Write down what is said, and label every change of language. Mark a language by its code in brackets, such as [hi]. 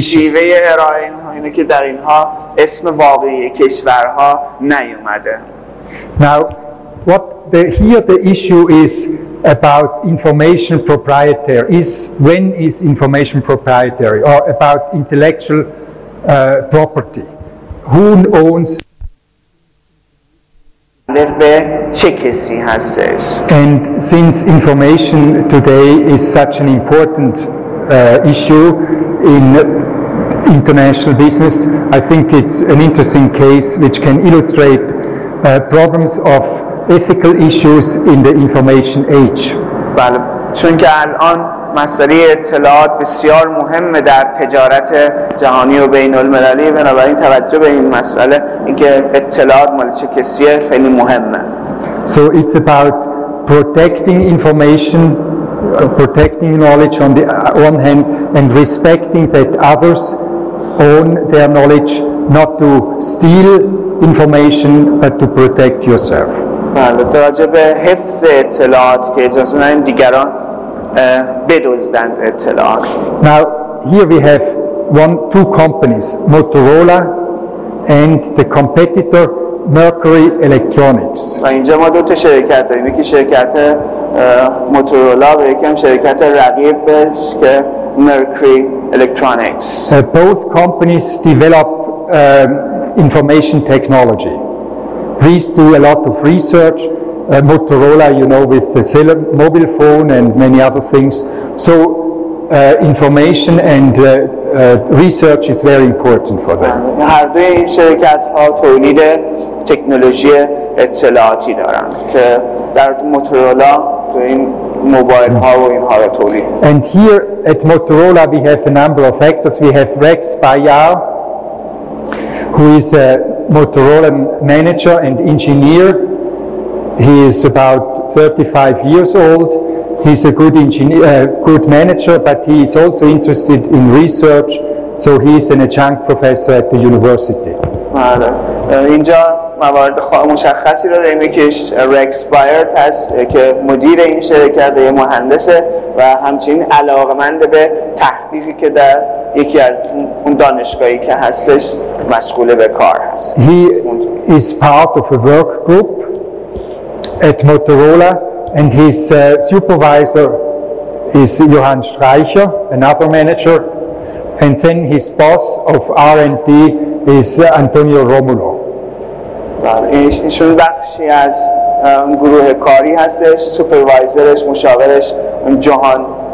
[fa] شیوه ارائه اینه که در اینها اسم واقعی کشورها نیومده. [en] Now, what the here the issue is about information proprietary is when is information proprietary, or about intellectual property. Who owns? And since information today is such an important issue in international business, I think it's an interesting case which can illustrate problems of ethical issues in the information age. [fa] بله، چون که الان مسئله اطلاعات بسیار مهمه در تجارت جهانی و بین المللی، بنابراین توجه به این مسئله، اینکه اطلاعات مال چه کسیه، خیلی مهمه. [en] So it's about protecting information protecting knowledge on the one hand and respecting that others own their knowledge, not to steal information but to protect yourself. [fa] بله، در واقع به حفظ اطلاعات که اجازه ندیم دیگران بدزدند اطلاعات. [en] Now here we have two companies, Motorola and the competitor Mercury Electronics. [fa] و اینجا ما دو تا شرکت داریم، یکی شرکت موتورولا و یکی شرکت رقیبش که Mercury Electronics. [en] Both companies develop information technology. These do a lot of research. Motorola, you know, with the mobile phone and many other things. So information and research is very important for them. [fa] هر دوی این شرکت ها تولید تکنولوژی اطلاعاتی دارند که در موتورولا تو این موبایل ها و اینها را تولید. [en] And here at Motorola we have a number of actors. We have Rex Bayar, who is a Motorola manager and engineer. He is about 35 years old. He's a good good manager, but he is also interested in research, so he is an adjunct professor at the university. [fa] اینجا موارد مشخصی رو داریم که رکس بایرت هست که مدیر این شرکت و مهندسه و همچنین علاقمند به تحقیقی که در یکی از اون دانشگاهی که هستش مشغول به کار هست. [en] He is part of a work group at Motorola and his supervisor is Johann Streicher, another manager, and then his boss of R&D is Antonio Romulo. [fa] ایشون بخشی از گروه کاری هستش، سوپروایزرش، مشاورش جهان.